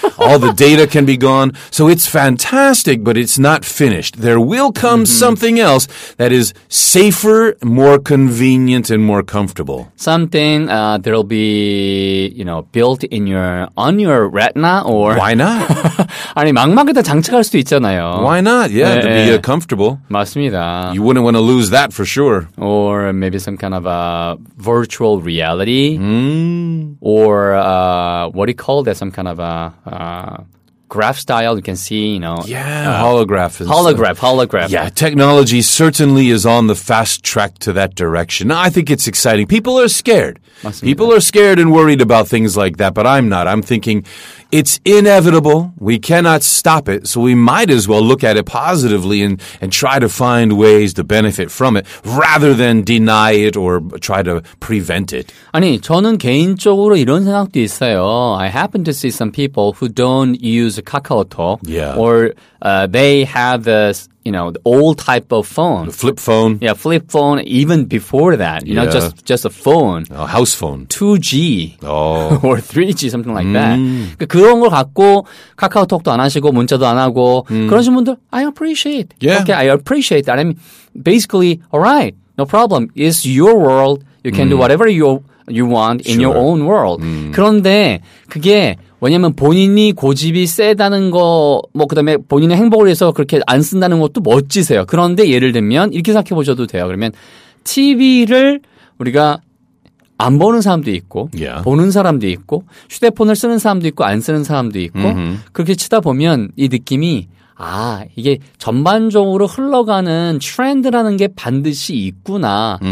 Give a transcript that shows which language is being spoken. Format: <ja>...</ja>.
<en>All the data can be gone. So it's fantastic, but it's not finished. There will come something else that is safer, more convenient, and more comfortable. Something that'll be, you know, built in your, on your retina or. Why not?</en> <ko>아니, 망망에다 장착할 수도 있잖아요.</ko> <en>Why not? Yeah, 네, to be comfortable.</en> <ko>맞습니다.</ko> <en>You wouldn't want to lose that for sure. Or maybe some kind of a virtual reality. Mm. Or what do you call that? Some kind of a graph style. You can see, you know. Yeah, holograph. And holograph, stuff. Holograph. Yeah, technology certainly is on the fast track to that direction. I think it's exciting. People are scared.</en> <ko>맞습니다.</ko> <en>People are scared and worried about things like that, but I'm not. I'm thinking it's inevitable. We cannot stop it, so we might as well look at it positively and try to find ways to benefit from it rather than deny it or try to prevent it.</en> <ko>아니, 저는 개인적으로 이런 생각도 있어요.</ko> <en>I happen to see some people who don't use KakaoTalk or they have this, you know, the old type of phone. The flip phone. Yeah, flip phone even before that. You know, just a phone. A house phone. 2G. Oh. Or 3G, something like that.</en> <ko>그런 걸 갖고 카카오톡도 안 하시고 문자도 안 하고 그러신 분들,</ko> <en>I appreciate. Yeah. Okay, I appreciate that. I mean, basically, all right, no problem. It's your world. You can do whatever you want in your own world.</en> <ko>그런데 그게 왜냐면 본인이 고집이 세다는 거, 뭐 그다음에 본인의 행복을 위해서 그렇게 안 쓴다는 것도 멋지세요. 그런데 예를 들면 이렇게 생각해 보셔도 돼요. 그러면 TV를 우리가 안 보는 사람도 있고 보는 사람도 있고 휴대폰을 쓰는 사람도 있고 안 쓰는 사람도 있고 그렇게 치다 보면 이 느낌이 아, 이게 전반적으로 흘러가는 트렌드라는 게 반드시 있구나.</ko>